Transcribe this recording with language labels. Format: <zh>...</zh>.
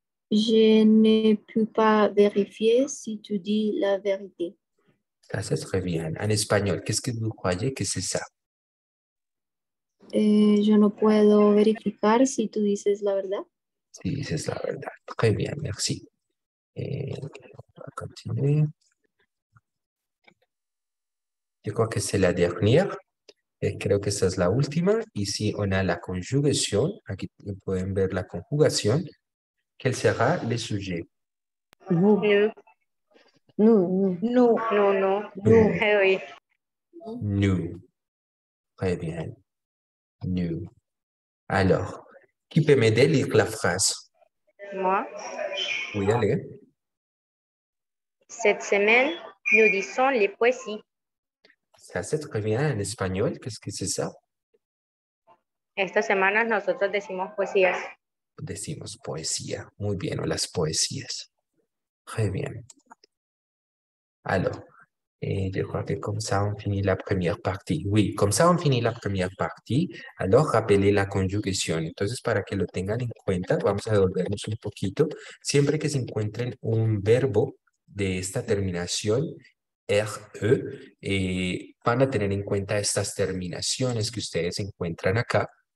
<fr>Je ne peux pas vérifier si tu dis la vérité. Ça, c'est très bien.</fr> <es>En español,</es> <fr>¿qué es que vous croyez que c'est ça?</fr> <es>Yo no puedo verificar si tú dices la verdad. Si dices la verdad.</es> <fr>Très bien, merci. On va continuer. Je crois que c'est la dernière.</fr> <es>Et creo que esta es la última.</es> <fr>Ici, on a</fr> <es>la conjugación. Aquí pueden ver la conjugación.</es> <fr>¿Quel sera le sujet? Nous. Très bien. Nous. Alors, qui peut m'aider à lire la phrase? Moi. Oui, allez. Cette semaine, nous disons les poésies. Ça, c'est très bien en espagnol. Qu'est-ce que c'est ça?</fr> <es>Esta semana, nosotros decimos poesías. Decimos poesía. Muy bien, o las poesías.</es> <fr>Très bien. Alors, je crois que comme ça, on finit la première partie. Oui, comme ça, on finit la première partie. Alors, rappelez la conjugación.</fr> <es>Entonces, para que lo tengan en cuenta, vamos a devolvernos un poquito. Siempre que se encuentren un verbo de esta terminación, RE, van a tener en cuenta estas terminaciones que ustedes encuentran acá.</es>